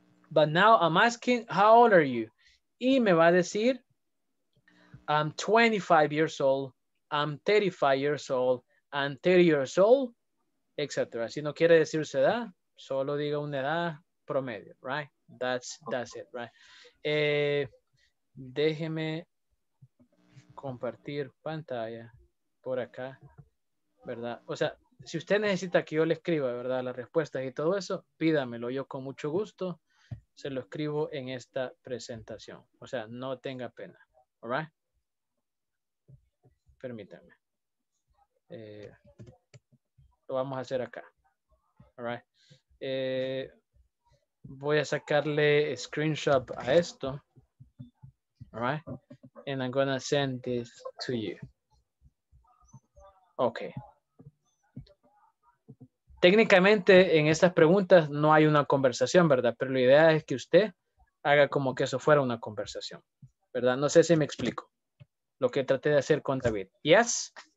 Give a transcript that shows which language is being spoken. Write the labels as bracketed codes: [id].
[en] But now I'm asking, how old are you? [es] Y me va a decir, [en] I'm 25 years old. I'm 35 years old. I'm 30 years old. [es] etcétera. Si no quiere decir su edad, solo diga una edad promedio, right? [en] That's it, right? [es] Déjeme compartir pantalla por acá, ¿verdad? O sea, si usted necesita que yo le escriba, ¿verdad? Las respuestas y todo eso, pídamelo. Yo con mucho gusto se lo escribo en esta presentación. O sea, no tenga pena. All right? Permítame. Lo vamos a hacer acá. All right? Voy a sacarle screenshot a esto. All right? [en] And I'm going to send this to you. Okay. [es] Técnicamente, en estas preguntas no hay una conversación, ¿verdad? Pero la idea es que usted haga como que eso fuera una conversación, ¿verdad? No sé si me explico lo que traté de hacer con David. ¿Yes?